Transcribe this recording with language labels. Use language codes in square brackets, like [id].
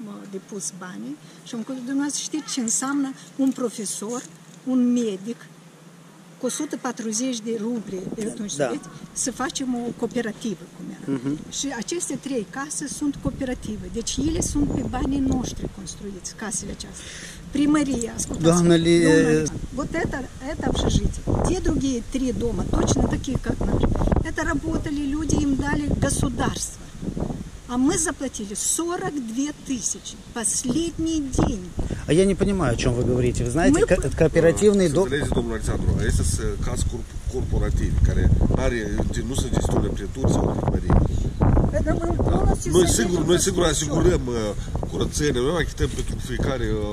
[ro] depus banii și am cunoscut, dumneavoastră știți ce înseamnă un profesor, un medic, cu 140 de ruble, atunci, da. Știți, să facem o cooperativă, cum era. Uh-huh. Și aceste trei case sunt cooperative, deci ele sunt pe banii noștri construiți, casele aceasta. Primăria, ascultați, doamnă, [ru] вот это, те другие три дома, точно такие, как наши, это работали люди, им дали государство. А мы заплатили 42 тысячи. Последний день. А я не понимаю, о чем вы говорите. Вы знаете, кооперативный дом... Смотрите, дом Александру, а это КАС корпоратив, который не существует при Турции, при Марии. [ro] Noi sigur asigurăm curățenie, noi mai chităm pentru fiecare...